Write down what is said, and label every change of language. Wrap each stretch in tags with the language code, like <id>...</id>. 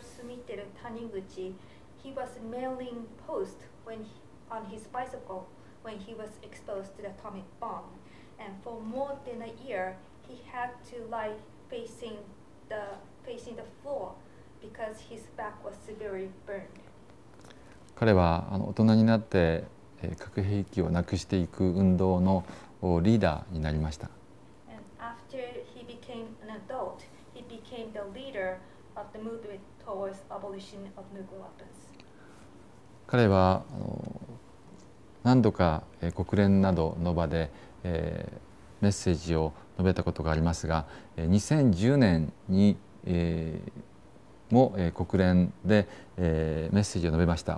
<en>Sumiteru Taniguchi, he was mailing post on his bicycle when he was exposed to the atomic bomb. And for more than a year, he had to lie facing the floor because his back was severely burned.</en> <ja>彼は大人になって核兵器をなくしていく運動のリーダーになりました。</ja> <en>And after he became an adult, he became the leader. Of the movement towards abolition of nuclear weapons.</en> <ja>彼は何度か国連などの場で、メッセージを述べたことがありますが、2010年に、も、国連で、メッセージを述べました。</ja>